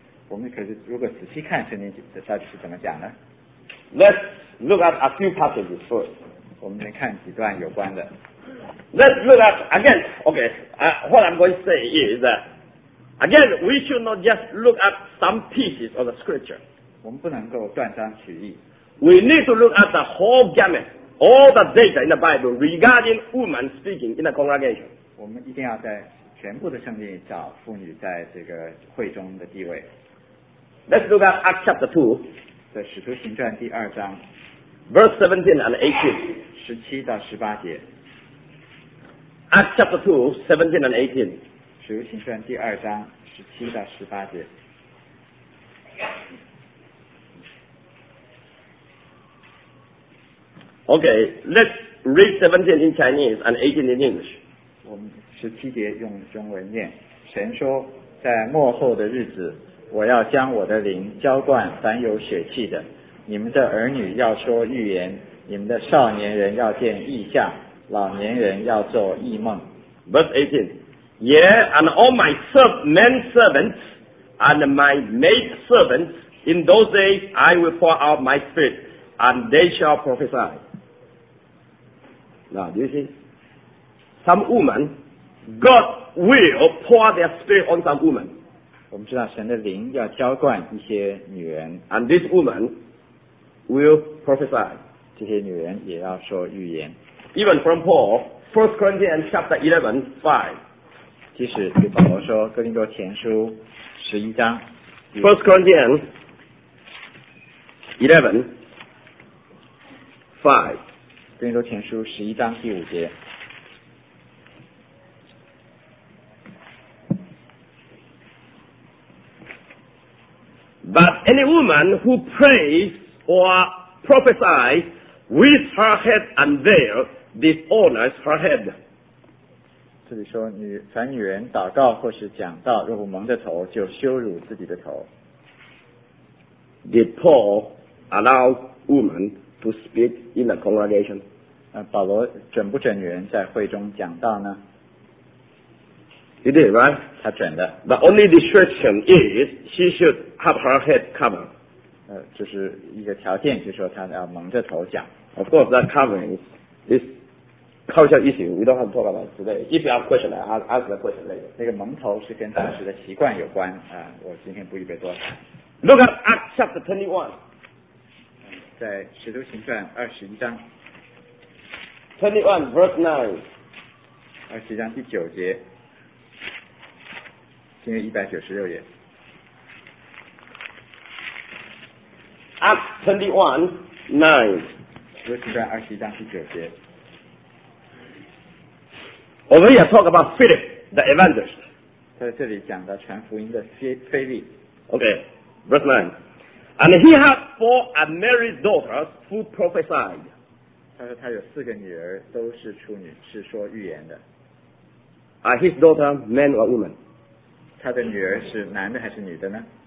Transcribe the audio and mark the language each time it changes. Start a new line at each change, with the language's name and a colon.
Chinese: 我们可是如果仔细看圣经到底是怎么讲呢
English: Let's look at a few passages first
Chinese: 我们来看几段有关的
English: Let's look at again OK what I'm going to say is that Again, we should not just look at some pieces of the scripture.
Chinese: 我们不能够断章取义。
English: We need to look at the whole gamut, all the data in the Bible regarding women speaking in the congregation.
Chinese: 我们一定要在全部的圣经找妇女在这个会中的地位。
English: Let's look at Acts chapter 2.
Chinese: 在使徒行传第二章。
English: Verse 17 and 18.
Chinese: 十七到十八节。
English: Acts chapter 2, 17 and 18.
Chinese: 《使徒行传》第二章十七到十八节。
English: Okay, let's read 17 in Chinese and 18 in English.
Chinese: 我们十七节用中文念。神说，在末后的日子，我要将我的灵浇灌凡有血气的。你们的儿女要说预言，你们的少年人要见异象，老年人要做异梦。
English: Verse 18. Yeah, and all my men servants and my maid servants, in those days I will pour out my spirit, and they shall prophesy. Now, do you see? Some women, God will pour their spirit on some women.
Chinese: 我们知道神的灵要浇灌一些女人。
English: And this woman will prophesy.
Chinese: 这些女人也要说预言。
English: Even from Paul, 1 Corinthians chapter 11, 5.
Chinese: 即使对保罗说哥林多前书十一章
English: First Corinthians 11 5
Chinese: 哥林多前书十一章第五节
English: But any woman who prays or prophesies with her head unveiled dishonors her head.
Chinese: 这里说凡女人祷告或是讲道若不蒙着头就羞辱自己的头。
English: Did Paul allow women to speak in the congregation?
Chinese: 保罗准不准女人在会中讲道呢？
English: He did, right?
Chinese: 他准的。
English: The only restriction is she should have her head covered.
Chinese: 就是一个条件就是说她要蒙着头讲。
English: Of course that covering is... Cultural issue, we don't have to talk about it today. If you have questions, I'll ask the question later.
Chinese: 那个蒙头是跟当时的习惯有关啊，我今天不预备多谈。
English: Look at Acts chapter 21.
Chinese: 在使徒行传二十一章。
English: 21 verse 9.
Chinese: 二十一章第九节。今天196页。
English: Acts 21, 9.
Chinese: 使徒行传二十一章第九节。我们也
English: talk about Philip, the evangelist.
Chinese: 在这里讲的传福音的菲利。
English: Okay, verse 9. And he had four unmarried daughters who prophesied.
Chinese: 他说他有四个女儿都是处女，是说预言的。
English: Are his daughter men or women?
Chinese: 他的女儿是男的还是女的呢？